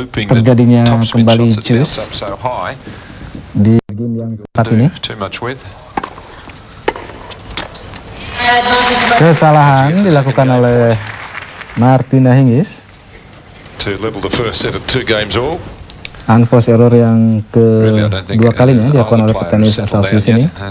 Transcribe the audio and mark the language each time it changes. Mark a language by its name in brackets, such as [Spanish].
[Indonesian] terjadinya kembali cius di game yang saat ini. Kesalahan dilakukan oleh Martina Hingis. [English] To level the first set of two games all. [Indonesian] Unforced error yang kedua kalinya dilakukan oleh petenis asal Swiss ini.